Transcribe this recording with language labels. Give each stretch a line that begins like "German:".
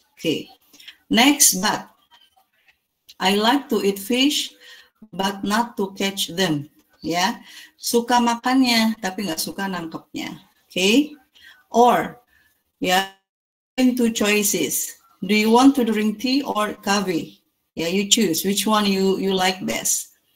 English: Oke, next, but I like to eat fish, but not to catch them.
Indonesian: Ya, suka makannya tapi nggak suka nangkepnya.
English: Oke, or ya, two choices. Do you want to drink tea or coffee? Ya, you choose which one you like best.